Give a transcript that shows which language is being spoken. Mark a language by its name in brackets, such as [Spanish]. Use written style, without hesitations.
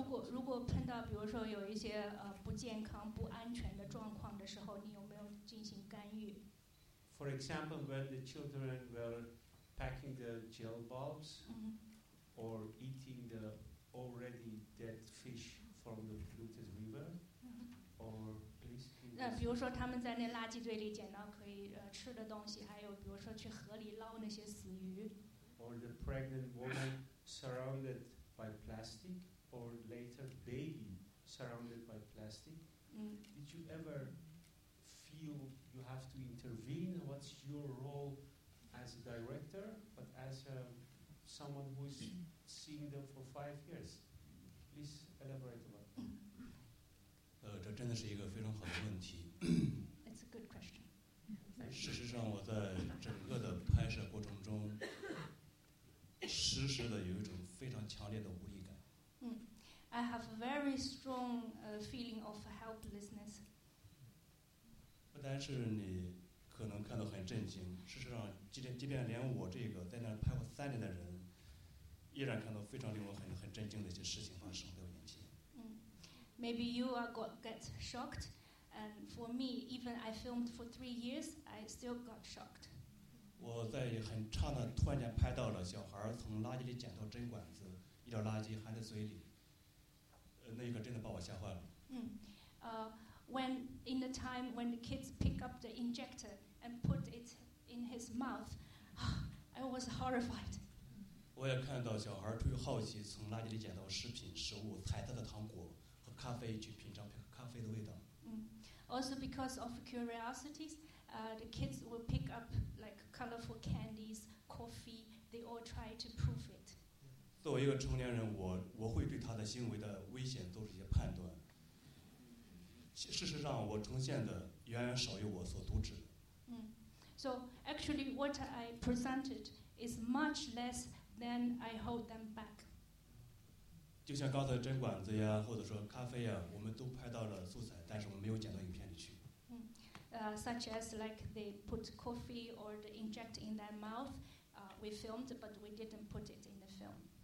[Chinese] 如果碰到比如说有一些不健康不安全的状况的时候，你有没有进行干预？ [English] For example, when the children were packing the gel bulbs, or eating the already dead fish from the polluted river, or please. [Chinese] 那比如说他们在那垃圾堆里捡到可以吃的东西，还有比如说去河里捞那些死鱼。 [English] Or the pregnant woman surrounded. By plastic, or later baby surrounded by plastic. Did you ever feel you have to intervene? What's your role as a director, but as someone who's seen them for 5 years? Please elaborate about that. [Chinese] 这真的是一个非常好的问题。 [English] It's a good question. [Chinese] 事实上，我在整个的拍摄过程中。时时的有一种非常强烈的无力感。 [English] I have a very strong feeling of helplessness. [Chinese] 不单是你可能看到很震惊，事实上，即便连我这个在那拍过3年的人，依然看到非常令我很震惊的一些事情发生在我眼前。 [English] Maybe you are get shocked, and for me, even I filmed for 3 years, I still got shocked. [Chinese] 我在很长的突然间拍到了小孩从垃圾里捡到针管子，一条垃圾含在嘴里，那一刻真的把我吓坏了。 [English] When in the time when the kids pick up the injector and put it in his mouth, I was horrified. [Chinese] 我也看到小孩出于好奇从垃圾里捡到食品、食物、彩色的糖果和咖啡去品尝咖啡的味道。 [English] Also because of curiosities. The kids will pick up like colorful candies, coffee. They all try to prove it. [Chinese] 作为一个成年人，我会对他的行为的危险做出一些判断。事实上，我呈现的远远少于我所阻止的。 [English] So actually, what I presented is much less than I hold them back. [Chinese] 就像刚才针管子呀，或者说咖啡呀，我们都拍到了素材，但是我们没有剪到影片里去。 [English] Such as like they put coffee or the inject in their mouth, we filmed, but we didn't put it in the film.